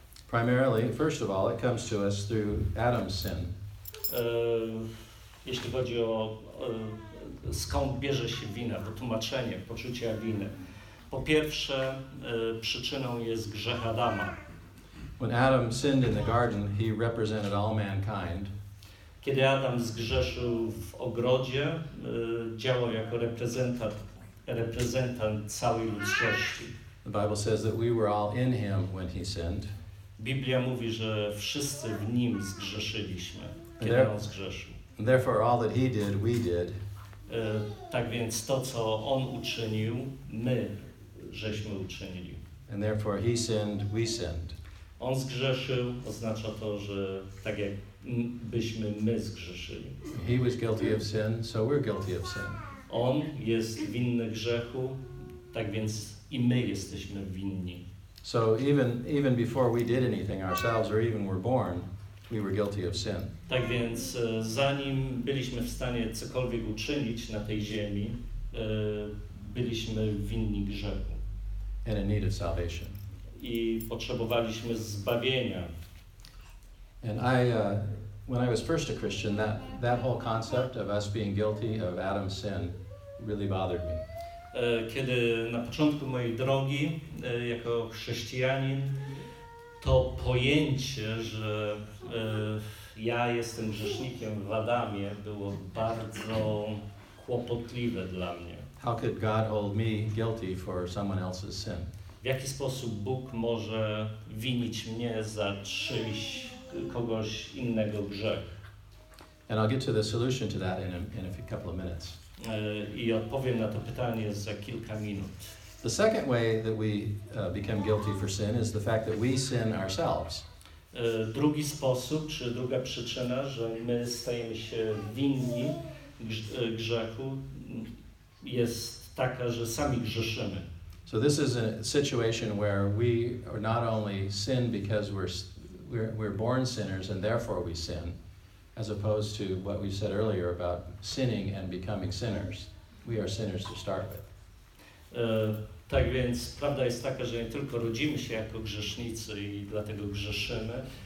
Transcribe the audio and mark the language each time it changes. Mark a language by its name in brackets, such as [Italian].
[English] Primarily, first of all, it comes to us through Adam's sin. [Polish] Jeśli chodzi o skąd bierze się wina, to tłumaczenie, poczucie winy. Po pierwsze, przyczyną jest grzech Adama. [English] When Adam sinned in the garden, he represented all mankind. [Polish] Kiedy Adam zgrzeszył w ogrodzie, działał jako reprezentant całej ludzkości. [English] The Bible says that we were all in him when he sinned. [Polish] Biblia mówi, że wszyscy w nim zgrzeszyliśmy, kiedy on zgrzeszył. [English] And therefore, all that he did, we did. [Polish] Tak więc to, co on uczynił, my żeśmy uczynili. [English] And therefore he sinned, we sinned. [Polish] On zgrzeszył, oznacza to, że tak jak byśmy my zgrzeszyli. [English] He was guilty of sin, so we're guilty of sin. [Polish] On jest winny grzechu, tak więc i my jesteśmy winni. [English] So even before we did anything ourselves or even were born, we were guilty of sin. [Polish] Tak więc zanim byliśmy w stanie cokolwiek uczynić na tej ziemi, byliśmy winni grzechu. [English] And in need of salvation. [Polish] I potrzebowaliśmy zbawienia. [English] And when I was first a Christian, that whole concept of us being guilty of Adam's sin really bothered me. [Polish] Kiedy na początku mojej drogi jako chrześcijanin, to pojęcie, że ja jestem grzesznikiem w Adamie, było bardzo kłopotliwe dla mnie. [English] How could God hold me guilty for someone else's sin? [Polish] W jaki sposób Bóg może winić mnie za czyjś, kogoś innego grzech? [English] And I'll get to the solution to that in a couple of minutes. [Polish] I odpowiem na to pytanie za kilka minut. [English] The second way that we become guilty for sin is the fact that we sin ourselves. [Polish] Drugi sposób, czy druga przyczyna, że my stajemy się winni grzechu, jest taka, że sami grzeszymy. [English] So this is a situation where we are not only sin because we're born sinners and therefore we sin, as opposed to what we said earlier about sinning and becoming sinners. We are sinners to start with. [Polish] Tak więc prawda jest taka, że nie tylko rodzimy się jako grzesznicy i dlatego grzeszymy.